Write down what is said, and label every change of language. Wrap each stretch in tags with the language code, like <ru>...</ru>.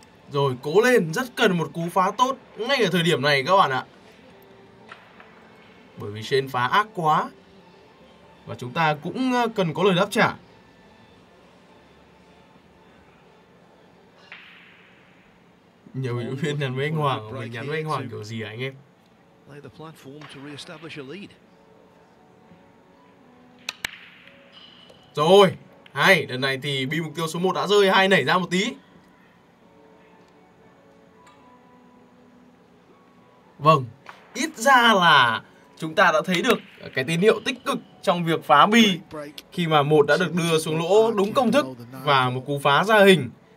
<vi>Rồi, cố lên, rất cần một cú phá tốt ngay ở thời điểm này các bạn ạ. Bởi vì Shane phá ác quá. Và chúng ta cũng cần có lời đáp trả. Nhiều bình luận viên nhắn với anh Hoàng, mình nhắn với anh Hoàng kiểu gì hả anh em?</vi> <en>Lay the platform to re-establish a lead.</en> <vi>Rồi, hay, lần này thì bi mục tiêu số 1 đã rơi, hay nảy ra một tí. Vâng, ít ra là chúng ta đã thấy được cái tín hiệu tích cực trong việc phá bi khi mà một đã được đưa xuống lỗ đúng công thức và một cú phá ra hình.</vi>